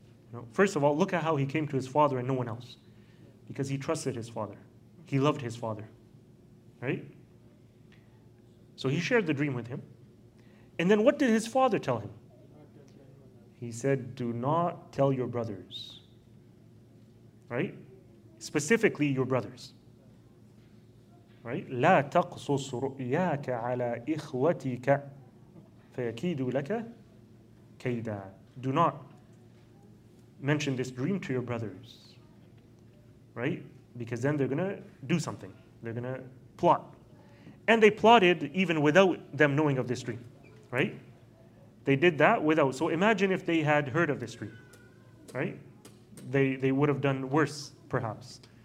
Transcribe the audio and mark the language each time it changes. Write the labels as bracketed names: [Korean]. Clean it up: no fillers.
[English] You know, first of all, look at how he came to his father and no one else. Because he trusted his father. He loved his father. Right? So he shared the dream with him. And then what did his father tell him? He said, do not tell your brothers. Right? Specifically your brothers. Right? [Arabic] لا تقصص رؤياك على إخوتك فيكيدوا لك كيدا. [English] Do not mention this dream to your brothers. Right? Because then they're going to do something. They're going to plot. And they plotted even without them knowing of this dream. Right? They did that without. So imagine if they had heard of this dream. Right? They would have done worse, perhaps.